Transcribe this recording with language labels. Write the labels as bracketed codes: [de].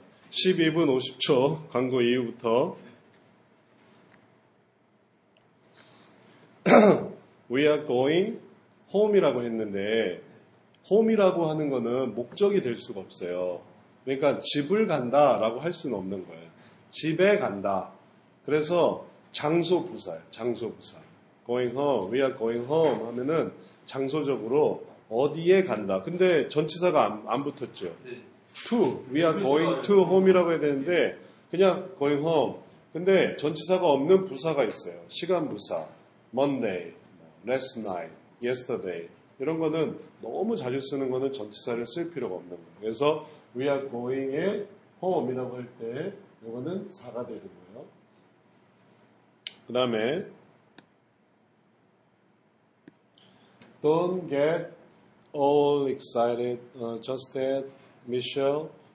[ko] 12분 50초 광고 이후부터 [en] We are going home [ko] 이라고 했는데 home이라고 하는 거는 목적이 될 수가 없어요. 그러니까 집을 간다라고 할 수는 없는 거예요. 집에 간다. 그래서 장소 부사예요. 장소 부사. [en] Going home, we are going home [ko] 하면은 장소적으로 어디에 간다. 근데 전치사가 안 붙었죠. 네. [en] To, we are going to home이라고 [ko] 해야 되는데 그냥 [en] going home. [ko] 근데 전치사가 없는 부사가 있어요. 시간 부사. [en] Monday, last night, yesterday. [ko] 이런 거는 너무 자주 쓰는 거는 전치사를 쓸 필요가 없는 거예요. 그래서 [en] we are going home [ko] 이라고 할 때 이거는 사가 되는 거예요. 그 다음에 [en] Don't get all excited just that, Michelle.